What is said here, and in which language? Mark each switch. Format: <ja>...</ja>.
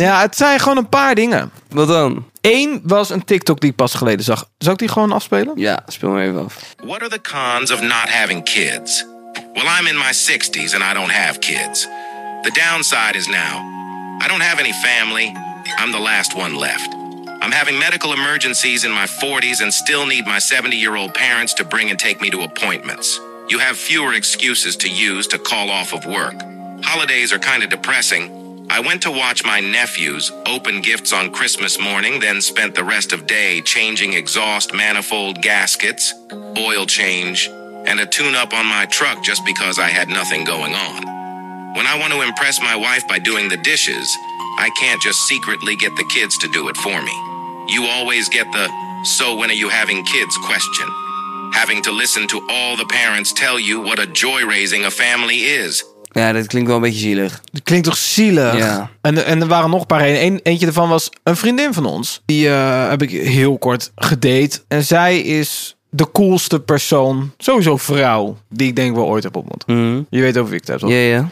<nl>Ja, het zijn gewoon een paar dingen. Wat dan? 1 was een TikTok die ik pas geleden zag. Zal ik die gewoon afspelen? Ja, speel hem even af.</nl> <en>What are the cons of not having kids? Well, I'm in my 60s and I don't have kids. The downside is now, I don't have any family. I'm the last one left. I'm having medical emergencies in my 40s and still need my 70-year-old parents to bring and take me to appointments. You have fewer excuses to use to call off of work. Holidays are kind of depressing. I went to watch my nephews open gifts on Christmas morning, then spent the rest of day changing exhaust manifold gaskets, oil change, and a tune-up on my truck just because I had nothing going on. When I want to impress my wife by doing the dishes, I can't just secretly get the kids to do it for me. You always get the, so when are you having kids question. Having to listen to all the parents tell you what a joy raising a family is.</en> <nl>Ja, dat klinkt wel een beetje zielig. Dat klinkt toch zielig? Ja. En er waren nog een paar redenen. Eentje ervan was een vriendin van ons. Die heb ik heel kort gedate. En zij is de coolste persoon, sowieso vrouw, die ik denk wel ooit heb ontmoet. Mm-hmm. Je weet over wie ik het heb, toch? Ja, ja.</nl>